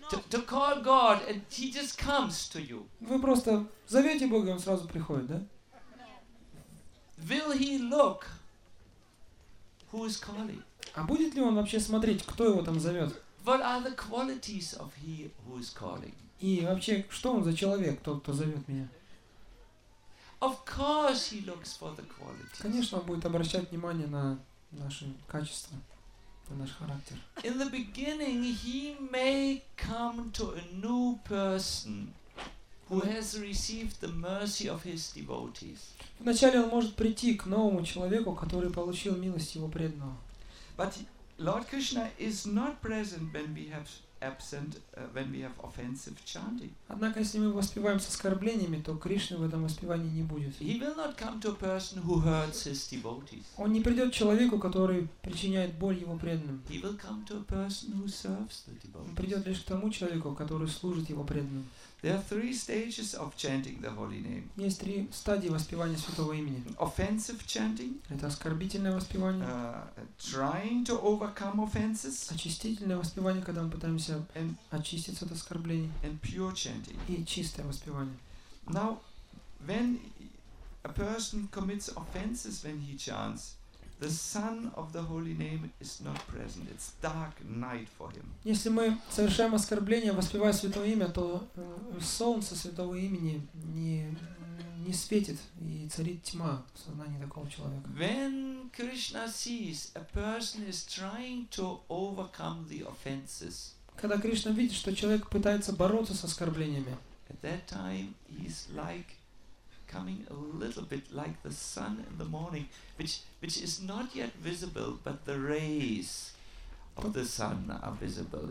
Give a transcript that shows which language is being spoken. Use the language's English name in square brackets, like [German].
[English] To call God and he just comes to you. [Russian] Вы просто зовете Бога, он сразу приходит, да? [English] Will he look who is calling? [Russian] А будет ли он вообще смотреть, кто его там зовет? [English] What are the qualities of he who is calling? [Russian] И вообще, что он за человек, тот, кто зовет меня? [English] Of course he looks for the qualities. [Russian] Конечно, он будет обращать внимание на наши качества, на наш характер. [English] In the beginning he may come to a new person who has received the mercy of his devotees. [Russian] Вначале он может прийти к новому человеку, который получил милость его преданного. [English] But Lord Krishna is not present when we have absent, when we have offensive chanting. [Russian] Однако если мы воспеваем с оскорблениями, то Кришны в этом воспевании не будет. [English] He will not come to a person who hurts his devotees. [Russian] Он не придет человеку, который причиняет боль его преданным. [English] He will come to a person who serves the devotees. [Russian] Он придет лишь к тому человеку, который служит его преданным. [English] There are three stages of chanting the holy name. [Russian] Есть три стадии воспевания святого имени. [English] Offensive chanting. [Russian] Это оскорбительное воспевание. [English] Trying to overcome offenses. [Russian] Очистительное воспевание, когда мы пытаемся очиститься от оскорблений. [English] And pure chanting. [Russian] И чистое воспевание. [English] Now, when a person commits offenses when he chants, the sun of the holy name is not present. It's dark night for him. [Russian] Если мы совершаем оскорбление, воспевая святое имя, то солнце святого имени не светит, и царит тьма в сознании такого человека. [English] When Krishna sees a person is trying to overcome the offenses. [Russian] Когда Кришна видит, что человек пытается бороться с оскорблениями. [English] At that time he's like coming a little bit like the sun in the morning, which is not yet visible, but the rays of the sun are visible.